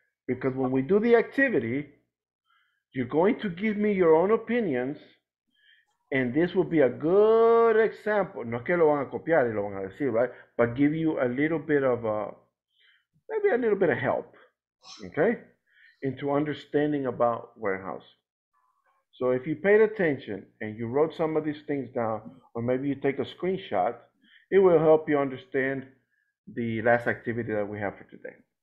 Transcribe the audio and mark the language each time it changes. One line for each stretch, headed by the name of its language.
English: Because when we do the activity, you're going to give me your own opinions. And this will be a good example.
Spanish: No es que lo van a copiar y lo van a decir,
English: right? But give you a little bit of maybe a little bit of help, okay? Into understanding about warehouse. So if you paid attention and you wrote some of these things down, or maybe you take a screenshot, it will help you understand the last activity that we have for today.